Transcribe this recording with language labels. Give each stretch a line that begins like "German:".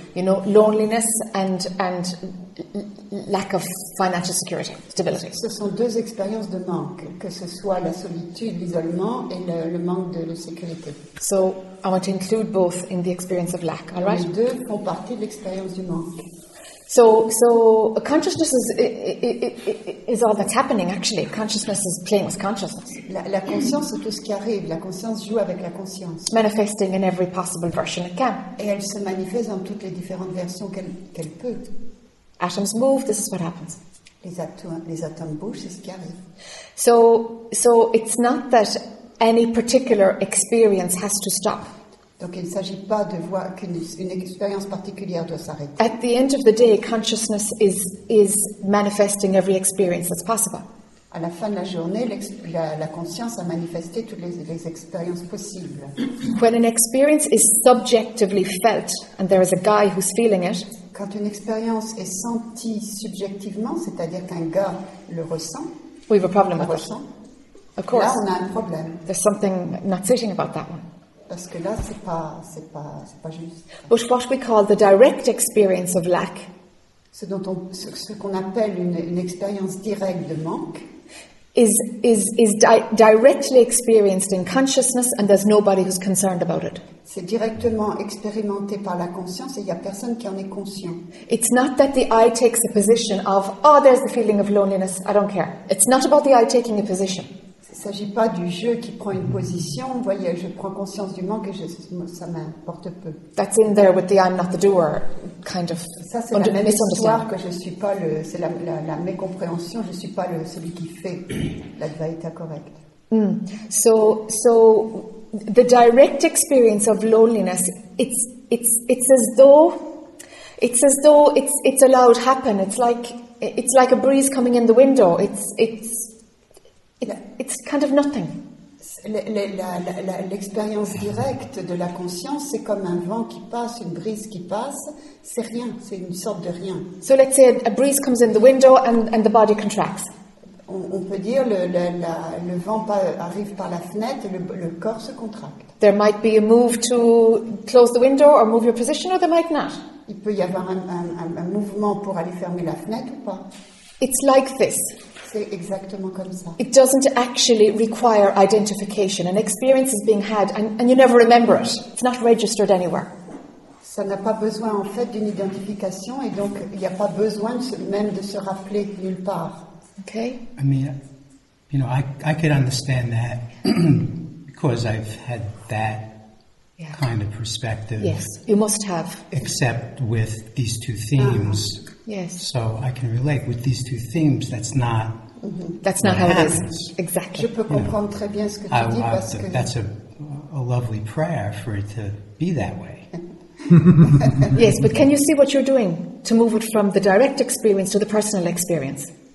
English: You know, loneliness and lack of financial security, stability.
French: Ce sont deux expériences de manque, que ce soit la solitude, l'isolement et le manque de sécurité.
English: So I want to include both in the experience of lack. All right.
French: Les deux font partie de l'expérience du manque.
English: So consciousness is all that's happening, actually. Consciousness is playing with consciousness.
French: La conscience, c'est tout ce qui arrive. La conscience joue avec la conscience.
English: Manifesting in every possible version it can.
French: Et elle se manifeste dans toutes les différentes versions qu'elle peut.
English: Atoms move, this is what happens.
French: Les atomes bougent, c'est ce qui arrive.
English: So it's not that any particular experience has to stop.
French: Donc il ne s'agit pas de voir qu'une expérience particulière doit s'arrêter.
English: At the end of the day, consciousness is manifesting every experience that's possible.
French: À la fin de la journée, la conscience a manifesté toutes les expériences possibles.
English: When an experience is subjectively felt and there is a guy who's feeling it.
French: Quand une expérience est sentie subjectivement, c'est-à-dire qu'un gars le ressent.
English: We have a problem with that. Of course.
French: Là, on a un problème.
English: There's something not sitting about that one.
French: Parce que là, c'est pas juste.
English: But what we call the direct experience of lack,
French: ce qu'on appelle une expérience directe de manque,
English: is directly experienced in consciousness, and there's nobody who's concerned about it.
French: C'est directement expérimenté par la conscience, et il y a personne qui en est conscient.
English: It's not that the I takes a position of, oh, there's the feeling of loneliness. I don't care. It's not about the I taking a position.
French: Il ne s'agit pas du jeu qui prend une position. Vous voyez, je prends conscience du manque et ça m'importe peu.
English: That's in there with the I'm not the doer kind of.
French: Ça c'est la même histoire que je suis pas le. C'est la mécompréhension. Je suis pas celui qui fait l'advaita correct. Mm.
English: So the direct experience of loneliness, it's as though it's allowed happen. It's like a breeze coming in the window. It's kind of nothing.
French: L'expérience directe de la conscience, c'est comme un vent qui passe, une brise qui passe. C'est rien. C'est une sorte de rien.
English: So let's say a breeze comes in the window and the body contracts.
French: On peut dire le vent arrive par la fenêtre et le corps se contracte.
English: There might be a move to close the window or move your position, or there might not.
French: Il peut y avoir un mouvement pour aller fermer la fenêtre ou pas.
English: It's like this.
French: C'est exactement comme ça.
English: It doesn't actually require identification. An experience is being had, and you never remember it. It's not registered anywhere.
French: Ça n'a pas besoin en fait d'une identification, et donc il n'y a pas besoin même de se rappeler nulle part.
English: Okay. I mean, you know, I could understand that because I've had that yeah. kind of perspective. Yes, you must have. Except with these two themes. Uh-huh. Yes. So I can relate with these two themes. That's not. Mm-hmm. That's not what happens. It is. Exactly.
French: Je peux comprendre très bien ce que tu dis parce que
English: that's a lovely prayer for it to be that way. Yes, but can you see what you're doing to move it from the direct experience to the personal experience?